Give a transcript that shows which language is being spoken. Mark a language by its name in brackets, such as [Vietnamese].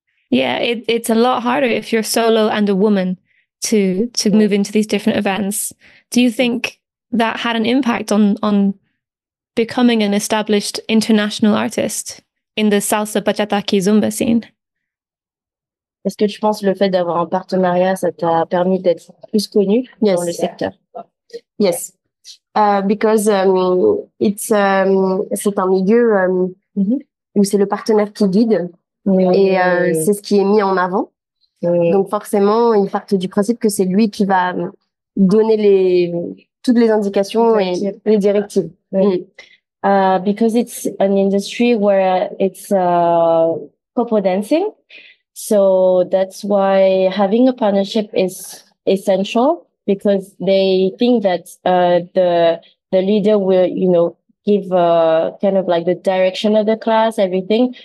[English] Yeah, it's a lot harder if you're solo and a woman to move into these different events. Do you think that had an impact on becoming an established international artist in the salsa, bachata, kizomba scene? [French] Est-ce que tu penses le fait d'avoir un partenariat, ça t'a permis d'être plus connu dans le secteur? [English] Yes, because [French] c'est un milieu où c'est le partenaire qui guide. C'est ce qui est mis en avant. Donc forcément, il part du principe que c'est lui qui va donner toutes les indications et les directives. [English] Because it's an industry where it's couple dancing, so that's why having a partnership is essential, because they think that the leader will, you know, give kind of like the direction of the class, everything.